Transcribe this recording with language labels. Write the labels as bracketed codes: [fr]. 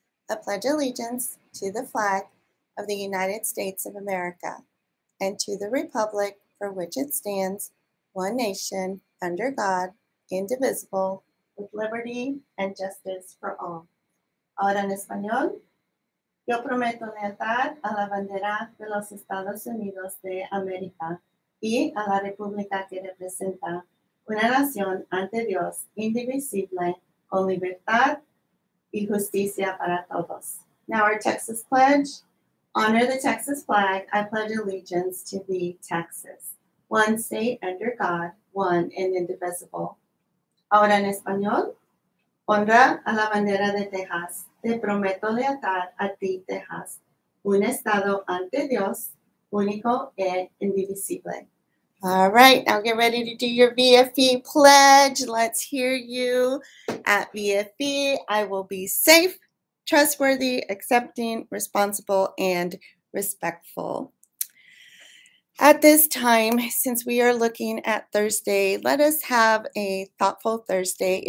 [en] I pledge allegiance to the flag of the United States of America and to the Republic for which it stands, one nation, under God, indivisible, with liberty and justice for all. [es] Ahora en español, yo prometo lealtad a la bandera de los Estados Unidos de América y a la República que representa, una nación ante Dios, indivisible, con libertad y justicia para todos. [en] Now our Texas pledge. Honor the Texas flag, I pledge allegiance to thee, Texas, one state under God, one and indivisible. [es] Ahora en español, honra a la bandera de Texas, te prometo lealtad a ti, Texas, un estado ante Dios, único e indivisible. [en] All right, now get ready to do your VFE pledge. Let's hear you at VFE. I will be safe, trustworthy, accepting, responsible, and respectful. At this time, since we are looking at Thursday, let us have a thoughtful Thursday.